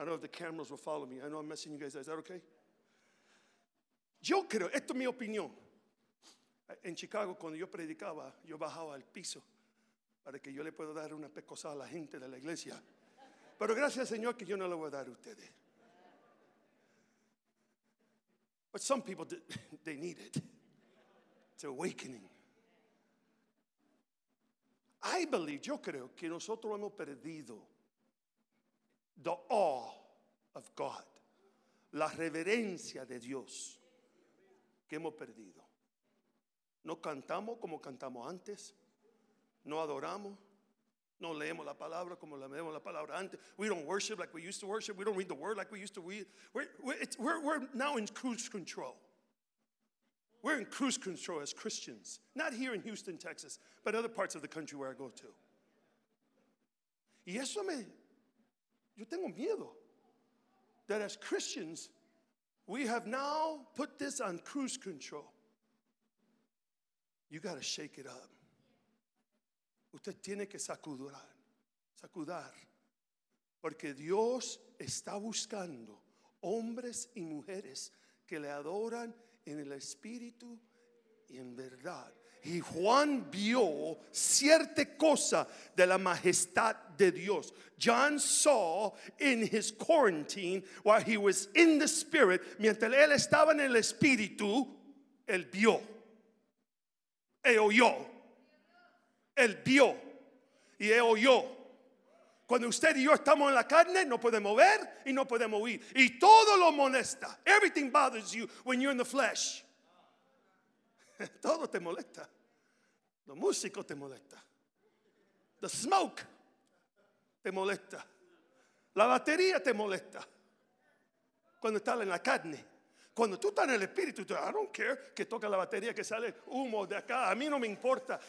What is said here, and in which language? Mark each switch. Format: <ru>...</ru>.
<en>I don't know if the cameras will follow me. I know I'm messing you guys up. Is that okay?</en> <es>Yo creo, esto es mi opinión. En Chicago, cuando yo predicaba, yo bajaba al piso para que yo le pueda dar una pescosada a la gente de la iglesia. Pero gracias, Señor, que yo no la voy a dar a ustedes.</es> <en>But some people, they need it. It's awakening. I believe,</en> <es>yo creo, que nosotros hemos perdido</es> <en>the awe of God,</en> <es>la reverencia de Dios, que hemos perdido. No cantamos como cantamos antes. No adoramos. No leemos la palabra como leemos la palabra antes.</es> <en>We don't worship like we used to worship. We don't read the word like we used to read. We're now in cruise control. We're in cruise control as Christians. Not here in Houston, Texas, but other parts of the country where I go to.</en> <es>Y eso me... Yo tengo miedo.</es> <en>That as Christians, we have now put this on cruise control. You got to shake it up.</en> <es>Usted tiene que sacudar, porque Dios está buscando hombres y mujeres que le adoran en el espíritu y en verdad. Y Juan vio cierta cosa de la majestad de Dios.</es> <en>John saw in his quarantine while he was in the spirit,</en> <es>mientras él estaba en el espíritu, él vio. Él oyó. Él vio y él oyó. Cuando usted y yo estamos en la carne, no podemos ver y no podemos oír. Y todo lo molesta.</es> <en>Everything bothers you when you're in the flesh.</en> <es>Todo te molesta. Lo músico te molesta.</es> <en>The smoke</en> <es>te molesta. La batería te molesta. Cuando estás en la carne. Cuando tú estás en el espíritu, tú,</es> <en>I don't care</en> <es>que toca la batería, que sale humo de acá. A mí no me importa.</es>